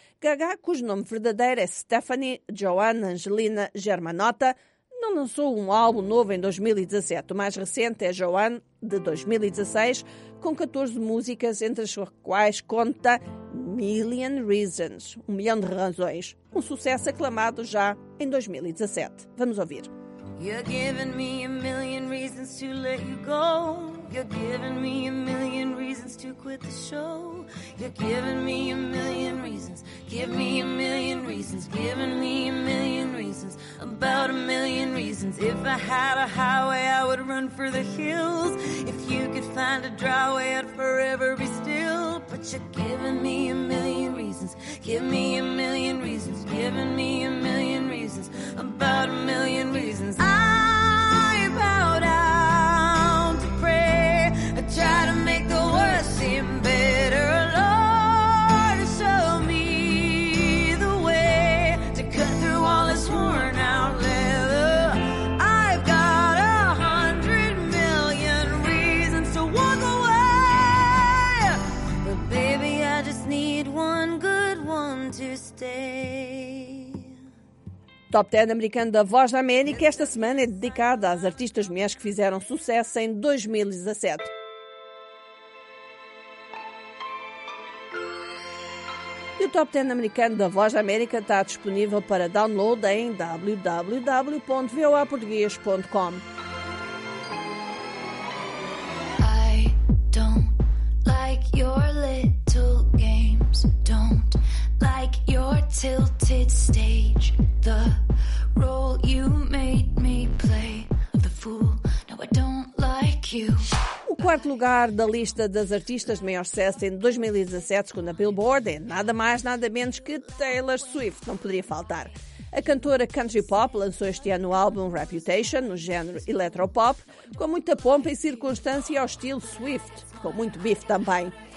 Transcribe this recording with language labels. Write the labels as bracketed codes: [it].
[pt] Gaga, cujo nome verdadeiro é Stephanie Joanne Angelina Germanotta, não lançou um álbum novo em 2017. O mais recente é Joanne, de 2016, com 14 músicas, entre as quais conta Million Reasons, 1 milhão de razões, um sucesso aclamado já em 2017. Vamos ouvir. [en] You're giving me a million reasons to let you go. You're giving me a million reasons to quit the show. You're giving me a million reasons. Give me a million reasons. Giving me a million reasons. About a million reasons. If I had a highway, I would run for the hills. If you could find a dry way, I'd forever be still. But you're giving me a million reasons. Give me a million reasons. Giving me a million reasons. About a million reasons. I bow down to pray. I try to make the worst seem better. Lord, show me the way to cut through all this worn out leather. I've got 100 million reasons to walk away. But baby, I just need one good one to stay. [pt] Top 10 americano da Voz da América esta semana é dedicada às artistas mulheres que fizeram sucesso em 2017. E o Top 10 americano da Voz da América está disponível para download em www.voaportugues.com. [en] I don't like your little games. Don't like your tilted stage. The role you made me play of the fool. No, I don't like you. [pt] O quarto lugar da lista das artistas de maior sucesso em 2017, segundo a Billboard, é nada mais, nada menos que Taylor Swift, não poderia faltar. A cantora country pop lançou este ano o álbum Reputation, no género electropop, com muita pompa e circunstância ao estilo Swift, com muito beef também.